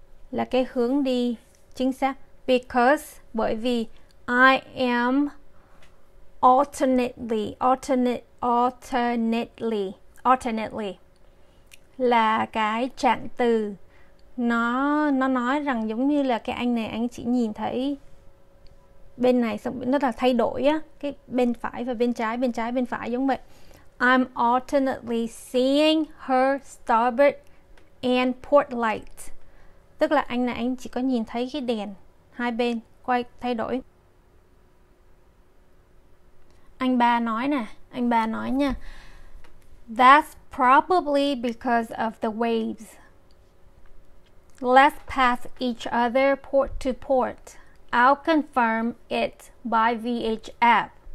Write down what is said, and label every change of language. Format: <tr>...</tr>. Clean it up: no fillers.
<vi>Là cái hướng đi chính xác. Because, bởi vì</vi> <en>I am alternately</en> <vi>là cái trạng từ, nó nói rằng giống như là cái anh này, anh chỉ nhìn thấy bên này xong nó là thay đổi á, cái bên phải và bên trái bên phải giống vậy.</vi> <en>I'm alternately seeing her starboard and port light.</en> <vi>Tức là anh này anh chỉ có nhìn thấy cái đèn hai bên quay thay đổi. Anh ba nói nha.</vi> <en>That's probably because of the waves. Let's pass each other port to port. I'll confirm it by VHF.</en>